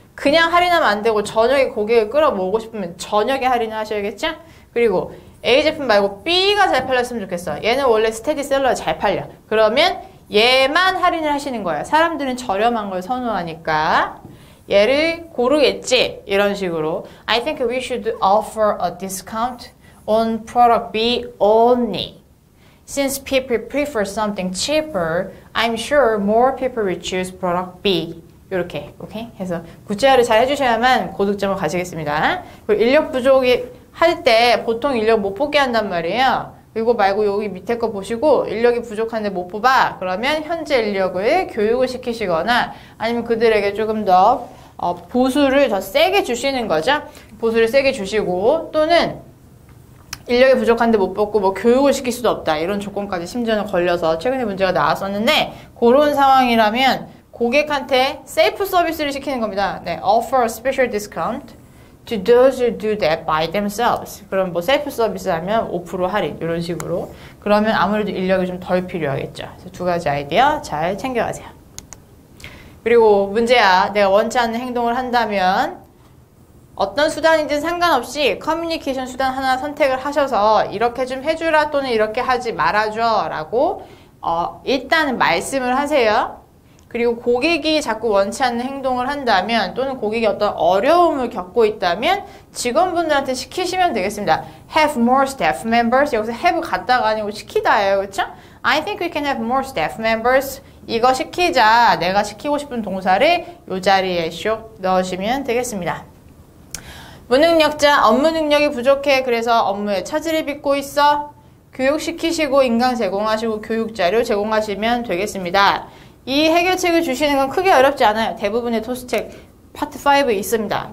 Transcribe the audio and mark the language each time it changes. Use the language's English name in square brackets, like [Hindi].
[Korean] 그냥 할인하면 안 되고 저녁에 고객을 끌어모으고 싶으면 저녁에 할인하셔야겠죠? 그리고 A 제품 말고 B가 잘 팔렸으면 좋겠어. 얘는 원래 스테디셀러가 잘 팔려. 그러면 얘만 할인을 하시는 거예요. 사람들은 저렴한 걸 선호하니까 얘를 고르겠지. 이런 식으로 [English] I think we should offer a discount on product B only. Since people prefer something cheaper, I'm sure more people will choose product B. [Korean] 이렇게, 오케이? 해서 구체화를 잘 해주셔야만 고득점을 가시겠습니다. 그리고 인력 부족이 할때 보통 인력 못 뽑게 한단 말이에요. 이거 말고 여기 밑에 거 보시고 인력이 부족한데 못 뽑아. 그러면 현재 인력을 교육을 시키시거나 아니면 그들에게 조금 더 보수를 더 세게 주시는 거죠. 보수를 세게 주시고 또는 인력이 부족한데 못 뽑고 뭐 교육을 시킬 수도 없다. 이런 조건까지 심지어는 걸려서 최근에 문제가 나왔었는데 그런 상황이라면 고객한테 셀프 서비스를 시키는 겁니다. [English] 네, offer a special discount to those who do that by themselves. [Korean] 그럼 뭐 셀프 서비스 하면 5% 할인 이런 식으로. 그러면 아무래도 인력이 좀덜 필요하겠죠. 그래서 두 가지 아이디어 잘 챙겨가세요. 그리고 문제야, 내가 원치 않는 행동을 한다면 어떤 수단이든 상관없이 커뮤니케이션 수단 하나 선택을 하셔서 이렇게 좀 해주라 또는 이렇게 하지 말아줘라고 일단은 말씀을 하세요. 그리고 고객이 자꾸 원치 않는 행동을 한다면 또는 고객이 어떤 어려움을 겪고 있다면 직원분들한테 시키시면 되겠습니다. [English] Have more staff members. [Korean] 여기서 have 갖다가 아니고 시키다예요. 그렇죠? [English] I think we can have more staff members. [Korean] 이거 시키자. 내가 시키고 싶은 동사를 이 자리에 쇽 넣으시면 되겠습니다. 무능력자. 업무 능력이 부족해. 그래서 업무에 차질을 빚고 있어. 교육시키시고 인강 제공하시고 교육 자료 제공하시면 되겠습니다. 이 해결책을 주시는 건 크게 어렵지 않아요. 대부분의 토스책 파트 5에 있습니다.